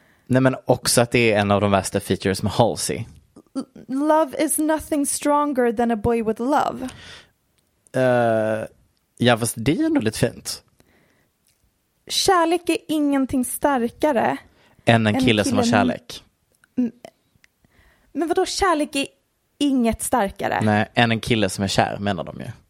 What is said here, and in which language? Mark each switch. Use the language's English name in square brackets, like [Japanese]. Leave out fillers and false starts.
[Swedish] Nej, men också att det är en av de värsta features med Halsey. [English] Love is nothing stronger than a boy with love. [Swedish] Ja, fast det är ju nog lite fint. Kärlek är ingenting starkare än en kille som har kärlek. Men vadå, kärlek är inget starkare? Nej, än en kille som är kär, menar de ju.